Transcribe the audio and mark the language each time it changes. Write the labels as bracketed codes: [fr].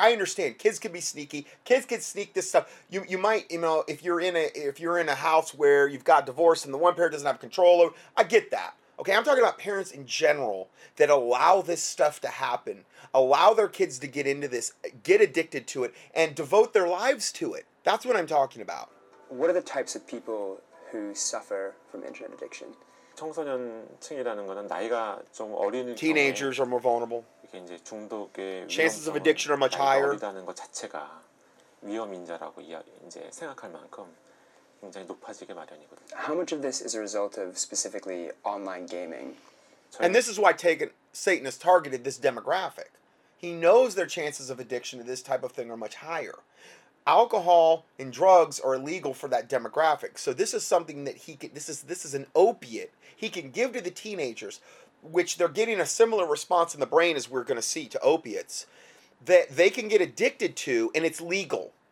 [en] I understand kids can be sneaky. Kids can sneak this stuff. You might, you know, if you're in a house where you've got divorce and the one parent doesn't have control over, I get that. Okay, I'm talking about parents in general that allow this stuff to happen, allow their kids to get into this, get addicted to it, and devote their lives to it. That's what I'm talking about. What are the types of people who suffer from internet addiction? [ko] 청소년층이라는 거는 나이가 좀 어린 [en] teenagers are more vulnerable. [ko] 이게 이제 중독의 [en] chances of addiction are much higher. [ko] 어리다는 것 자체가 위험 인자라고 이제 생각할 만큼 굉장히 높아지게 마련이거든요. [en] How much of this is a result of specifically online gaming? And this is why Satan has targeted this demographic. He knows their chances of addiction to this type of thing are much higher. Alcohol and drugs are illegal for that demographic. So this is something that this is an opiate he can give to the teenagers, which they're getting a similar response in the brain as we're going to see to opiates, that they can get addicted to, and it's legal.